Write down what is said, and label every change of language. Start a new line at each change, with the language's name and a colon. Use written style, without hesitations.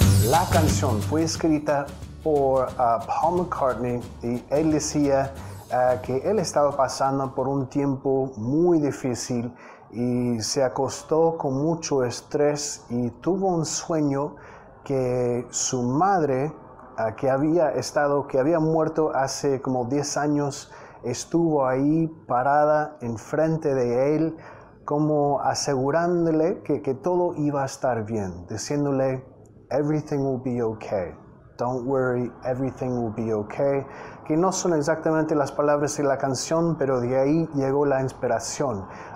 Spanish: La canción fue escrita por Paul McCartney y él decía que él estaba pasando por un tiempo muy difícil y se acostó con mucho estrés y tuvo un sueño que su madre, que había muerto hace como 10 años, estuvo ahí parada enfrente de él como asegurándole que todo iba a estar bien, diciéndole,
English: everything will be okay. Don't worry, everything will be okay.
Spanish: Que no son exactamente las palabras de la canción, pero de ahí llegó la inspiración.